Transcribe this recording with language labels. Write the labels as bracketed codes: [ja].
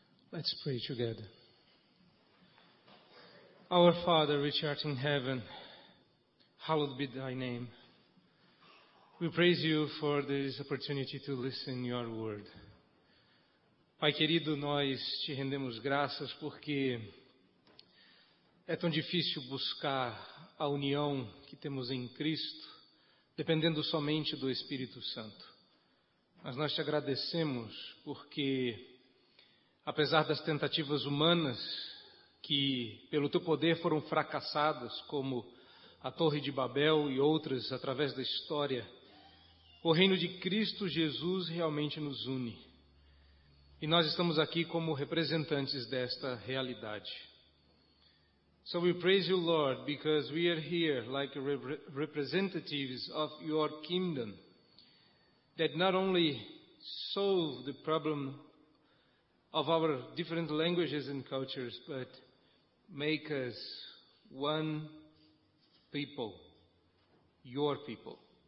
[en] Let's pray together. Our Father, which art in heaven, hallowed be thy name. We praise you for this opportunity to listen your word. [pt] Pai querido, nós te rendemos graças porque é tão difícil buscar a união que temos em Cristo, dependendo somente do Espírito Santo. Mas nós te agradecemos porque, apesar das tentativas humanas que, pelo teu poder, foram fracassadas, como a Torre de Babel e outras através da história, o reino de Cristo Jesus realmente nos une. E nós estamos aqui como representantes desta realidade. [en] So we praise you, Lord, because we are here like representatives of your kingdom that not only solve the problem of our different languages and cultures, but make us one people, your people.